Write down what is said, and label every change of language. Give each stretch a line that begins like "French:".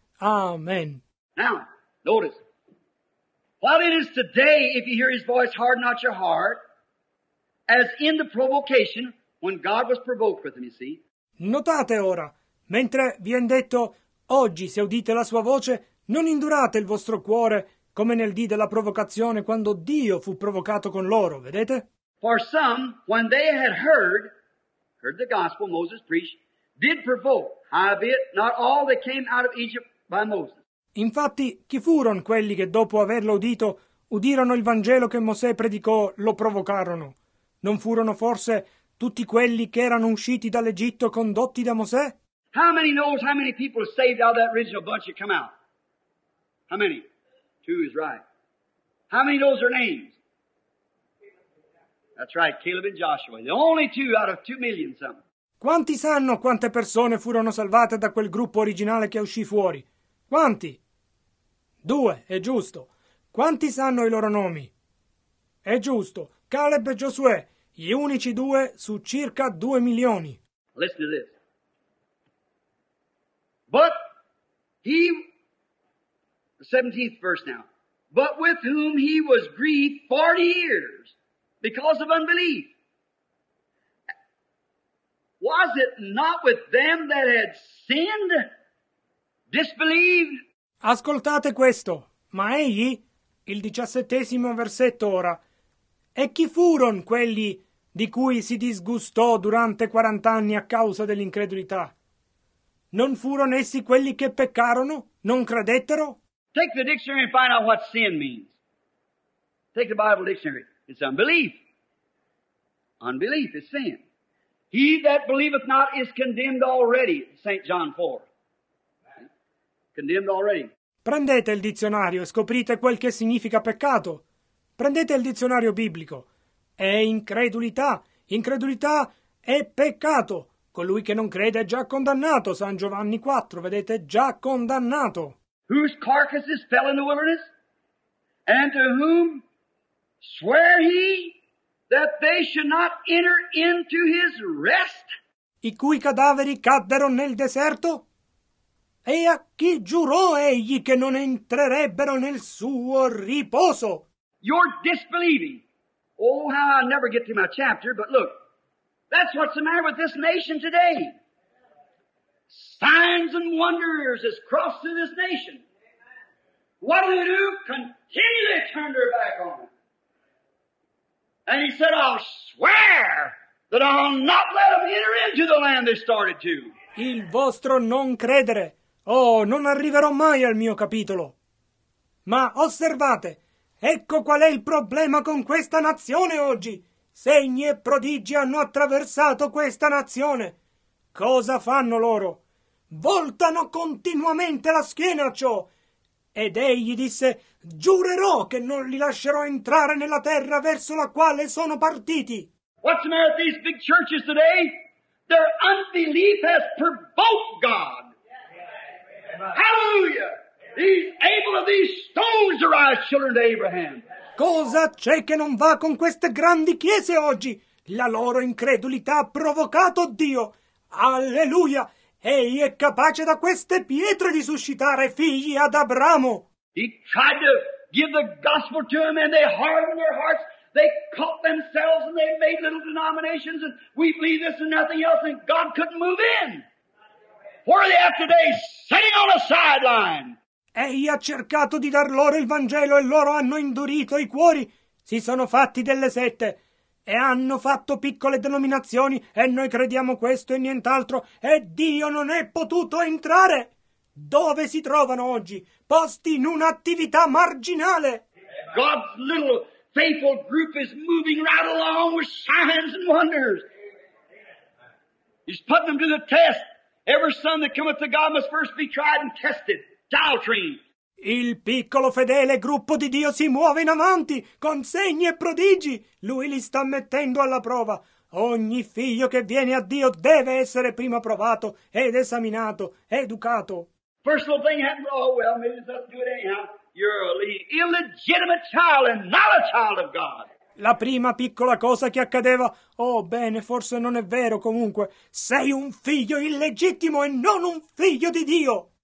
English: Amen. Now, notice. While it is today, if you hear his voice, harden not your heart, as in the provocation, when God was provoked with him, you see.
Italian: Notate ora, mentre viene detto, oggi se udite la sua voce, non indurate il vostro cuore, come nel dì della provocazione quando Dio fu provocato con loro, vedete?
English: For some, when they had heard the gospel Moses preached, did provoke, howbeit not all that came out of Egypt by Moses.
Italian: Infatti, chi furono quelli che dopo averlo udito, udirono il Vangelo che Mosè predicò, lo provocarono? Non furono forse tutti quelli che erano usciti dall'Egitto condotti da Mosè?
English: How many knows how many people are saved out of that original bunch that come out? How many? Two is right. How many knows their names? That's right, Caleb and Joshua. The only two out of 2 million something.
Italian: Quanti sanno quante persone furono salvate da quel gruppo originale che uscì fuori? Quanti? Due, è giusto. Quanti sanno i loro nomi? È giusto. Caleb e Josué, gli unici due su circa 2 milioni.
English: Listen to this. But He, 17th verse now, but with whom he was grieved 40 years because of unbelief. Was it not with them that had sinned, disbelieved?
Italian: Ascoltate questo, ma egli, il 17° versetto ora, e chi furono quelli di cui si disgustò durante 40 anni a causa dell'incredulità? Non furono essi quelli che peccarono, non credettero?
English: Take the dictionary and find out what sin means. Take the Bible dictionary. It's unbelief. Unbelief is sin. He that believeth not is condemned already, St. John 4. Condemned already.
Italian: Prendete il dizionario e scoprite quel che significa peccato. Prendete il dizionario biblico. È incredulità. Incredulità è peccato. Colui che non crede è già condannato, San Giovanni 4, vedete, già condannato.
English: Whose carcasses fell in the wilderness? And to whom swear he that they should not enter into his rest?
Italian: I cui cadaveri caddero nel deserto? E a chi giurò egli che non entrerebbero nel suo riposo?
English: You're disbelieving. Oh, how I never get to my chapter, but look. That's what's the matter with this nation today. Signs and wonders has crossed through this nation. What do they do? Continually turn their back on him. And he said, I'll swear that I'll not let them enter into the land they started to.
Italian: Il vostro non credere. Oh, non arriverò mai al mio capitolo. Ma osservate, ecco qual è il problema con questa nazione oggi. Segni e prodigi hanno attraversato questa nazione. Cosa fanno loro? Voltano continuamente la schiena a ciò. Ed egli disse, giurerò che non li lascerò entrare nella terra verso la quale sono partiti.
English: What's the matter with these big churches today? Their unbelief has provoked God. Hallelujah! He's able of these stones to rise, children of Abraham.
Italian: Cosa c'è che non va con queste grandi chiese oggi? La loro incredulità ha provocato Dio. Alleluia! Egli è capace da queste pietre di suscitare figli ad Abramo.
English: He tried to give the gospel to them and they hardened their hearts. They caught themselves and they made little denominations and we believe this and nothing else and God couldn't move in. Where are they at today? Sitting on a sideline.
Italian: Egli ha cercato di dar loro il Vangelo e loro hanno indurito i cuori. Si sono fatti delle sette e hanno fatto piccole denominazioni e noi crediamo questo e nient'altro. E Dio non è potuto entrare. Dove si trovano oggi? Posti in un'attività marginale.
English: God's little faithful group is moving right along with signs and wonders. He's putting them to the test. Every son that cometh to God must first be tried and tested.
Italian: Il piccolo fedele gruppo di Dio si muove in avanti con segni e prodigi. Lui li sta mettendo alla prova. Ogni figlio che viene a Dio deve essere prima provato ed esaminato, educato.
English: First little thing happened, oh well, maybe it doesn't do it anyhow. You're an illegitimate child and not a child of God.
Italian: La prima piccola cosa che accadeva, oh bene, forse non è vero comunque, sei un figlio illegittimo e non un figlio di Dio.